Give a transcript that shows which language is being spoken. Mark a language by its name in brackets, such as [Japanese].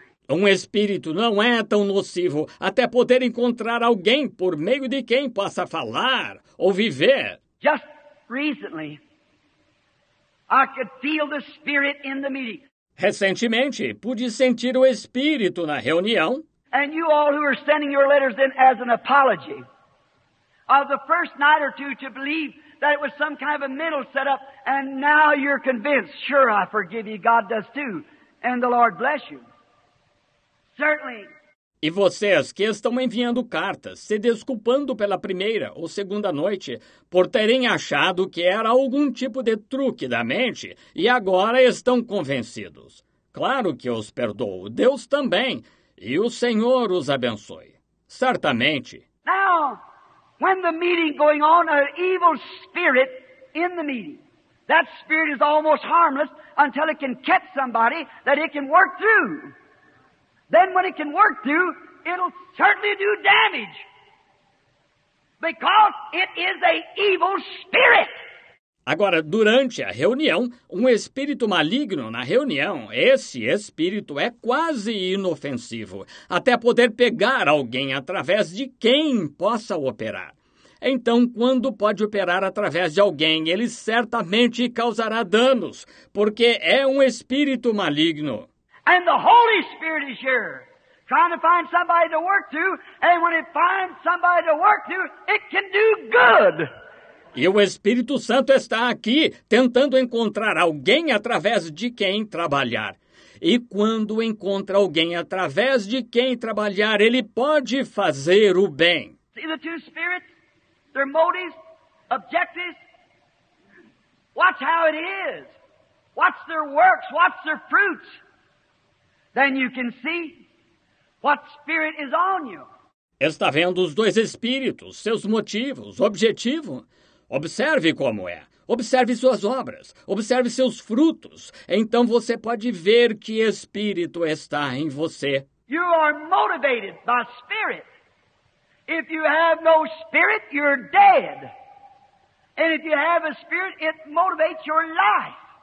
[Portuguese] Um espírito não é tão nocivo até poder encontrar alguém por meio de quem possa falar ou viver. [English] Just recently, I could feel the spirit in the meeting. [Portuguese] Recentemente, pude sentir o espírito na reunião. [English] And you all who are sending your letters in as an apology of the first night or two to believe that it was some kind of a mental setup, and now you're convinced, sure, I forgive you, God does too, and the Lord bless you. Certainly. [Portuguese] E vocês que estão enviando cartas, se desculpando pela primeira ou segunda noite, por terem achado que era algum tipo de truque da mente, e agora estão convencidos. Claro que os perdoo, Deus também, e o Senhor os abençoe. Certamente. [English] Now, when the meeting going on, an evil spirit in the meeting, that spirit is almost harmless until it can catch somebody that it can work through. Then when it can work through, it'll certainly do damage. Because it is a evil spirit. [Portuguese] Agora, durante a reunião, um espírito maligno na reunião, esse espírito é quase inofensivo, até poder pegar alguém através de quem possa operar. Então, quando pode operar através de alguém, ele certamente causará danos, porque é um espírito maligno. [English] And the Holy Spirit is here, trying to find somebody to work to, and when it finds somebody to work to, it can do good. [Portuguese] E o Espírito Santo está aqui, tentando encontrar alguém através de quem trabalhar. E quando encontra alguém através de quem trabalhar, ele pode fazer o bem. [English] See the two spirits, their motives, objectives. Watch how it is. Watch their works, watch their fruits. Then you can see what spirit is on you. [Portuguese] Está vendo os dois espíritos, seus motivos, objetivo? Observe como é. Observe suas obras. Observe seus frutos. Então você pode ver que espírito está em você. [English] You are motivated by spirit. If you have no spirit, you're dead. And if you have a spirit, it motivates your life.